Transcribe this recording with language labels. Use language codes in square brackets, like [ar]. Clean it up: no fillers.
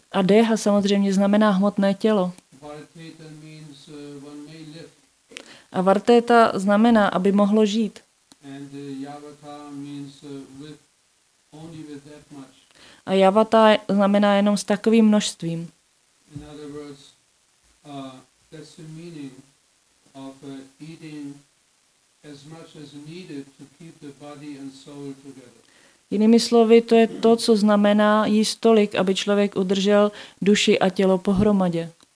[cs] A deha samozřejmě znamená hmotné tělo. [en] Varteta means one may live. [cs] A varteta znamená, aby mohlo žít. [en] And yavata means with, only with that much. [cs] A yavata znamená jenom s takovým množstvím. [en] In other words, that's the meaning of eating as much as needed to keep the body and soul together. [cs] Jinými slovy, to je to, co znamená jíst tolik, aby člověk udržel duši a tělo pohromadě.